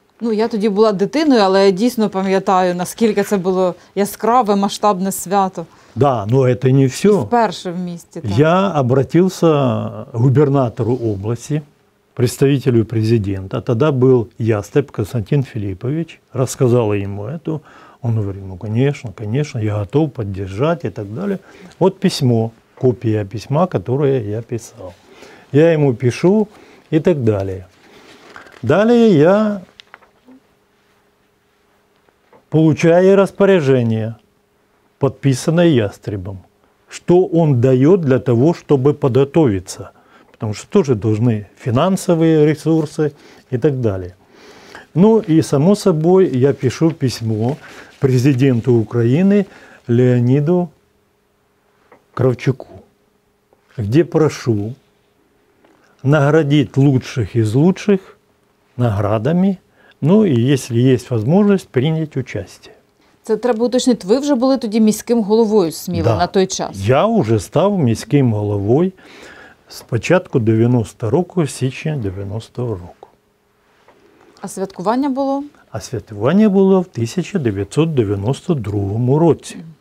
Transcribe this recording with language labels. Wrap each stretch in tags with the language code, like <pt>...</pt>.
<uk>Ну, я тоді була дитиною, але я дійсно пам'ятаю, наскільки це було яскраве, масштабне свято. Да, ну, це не все. І вперше в місті. Так.</uk> <ru>Я обратився губернатору області, представителю президента.</ru> <uk>Тоді був Ястреб Константин Філіпович, розказала йому це.</uk> <ru>Он говорит, ну, конечно, конечно, я готов поддержать и так далее. Вот письмо, копия письма, которое я писал. Я ему пишу и так далее. Далее я получаю распоряжение, подписанное Ястребом, что он дает для того, чтобы подготовиться. Потому что тоже должны финансовые ресурсы и так далее. Ну и, само собой, я пишу письмо президенту Украины Леониду Кравчуку, где прошу наградить лучших из лучших наградами, ну и, если есть возможность, принять участие.</ru> <uk>Це треба уточнити. Ви вже були тоді міським головою Сміла, да, на той час? Я вже став міським головою з початку 90-го року, січня 90-го року. А святкування було? А святування було в 1992 році.</uk>